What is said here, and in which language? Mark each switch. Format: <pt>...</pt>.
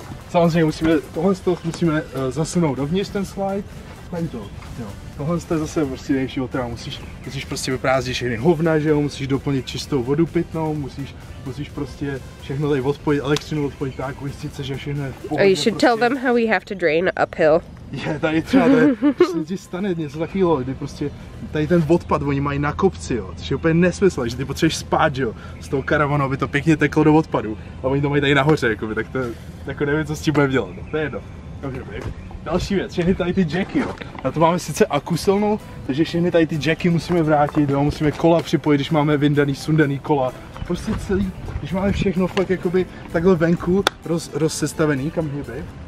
<cs>Samozřejmě musíme, tohle z toho musíme zasunout dovnitř ten slide, tady to, jo. Tohle je zase prostě nejvící otrava, musíš prostě vyprázdit všechny hovna, že jo, musíš doplnit čistou vodu pitnou, musíš prostě všechno tady odpojit, elektřinu odpojit tak, ujistit se, že všechno je v pohodě.</cs> <en>Oh, you should prostě tell them how we have to drain uphill.</en> <cs>Je, tady třeba, když se ti stane něco takového, kdy prostě tady ten odpad oni mají na kopci, jo, což je úplně nesmysl, že ty potřebuješ spát, jo, s tou karavanou, aby to pěkně teklo do odpadu, a oni to mají tady nahoře, jakoby, tak to, jako nevím, co s tím budeme dělat, no, to je jedno. Další věc, všechny tady ty jacky, jo, na to máme sice akusilnou, takže všechny tady ty jacky musíme vrátit, jo, musíme kola připojit, když máme vyndaný, sundaný kola, prostě celý, když máme všechno fakt jakoby takhle venku rozsestavený, kam hněby.</cs>